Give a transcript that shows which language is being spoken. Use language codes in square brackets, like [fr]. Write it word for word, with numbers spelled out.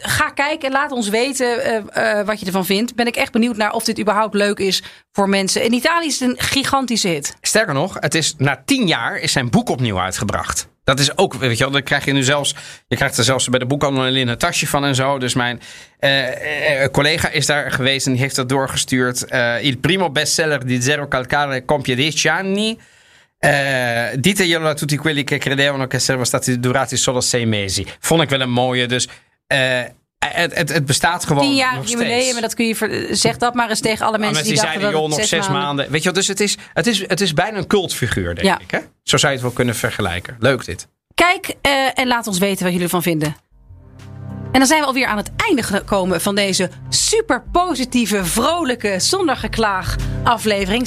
[nl] Ga kijken en laat ons weten uh, uh, wat je ervan vindt. Ben ik echt benieuwd naar of dit überhaupt leuk is voor mensen. In Italië is het een gigantische hit. Sterker nog, het is, na tien jaar is zijn boek opnieuw uitgebracht. Dat is ook, weet je wel, dan krijg je nu zelfs... Je krijgt er zelfs bij de boekhandel een linnen tasje van en zo. Dus mijn eh, eh, collega is daar geweest en heeft dat doorgestuurd. [it] Uh, Il primo bestseller di Zero Calcare compie dieci anni... Uh, diteglielo a tutti quelli che credevano che sarebbero stati durati solo sei mesi. [nl] Vond ik wel een mooie, dus uh, het, het, het bestaat gewoon tien jaar nog jubileum, maar dat kun je ver- zeg dat maar eens tegen alle mensen, mensen die, die zeiden, joh, nog zes maanden. maanden. Weet je wel, dus het is, het is, het is bijna een cultfiguur, denk ja. ik. Hè? Zo zou je het wel kunnen vergelijken. Leuk dit. Kijk uh, en laat ons weten wat jullie ervan vinden. En dan zijn we alweer aan het einde gekomen van deze super positieve, vrolijke, zonder geklaag aflevering.